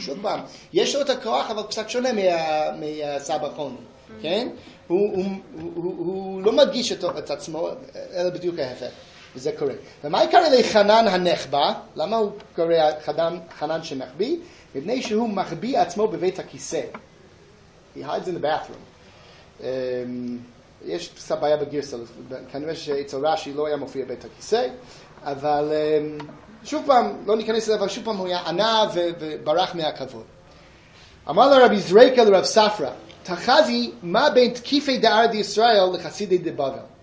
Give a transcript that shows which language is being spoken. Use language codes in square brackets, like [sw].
[he] שוב פעם, יש לו את הכוח, אבל קצת שונה מהסבא חוני. כן? הוא לא מדגיש את עצמו, אלא בדיוק ההפך. וזה קורה. ומה יקרה לחנן הנחבא? למה הוא קורא חנן שנחביא? מפני שהוא מחביא עצמו בבית הכיסא. [en] He hides in the bathroom. [he] יש קצת בעיה בגרסה, כנראה שאצל רשי לא היה מופיע בית הכיסא, אבל שוב פעם, לא ניכנס אליו, אבל שוב פעם הוא היה ענה וברח מהכבוד. [arc] אמר לרבי זריקה לרב ספרה, תחזי, מה בין תקיפי דארד ישראל לחסידי דבבל?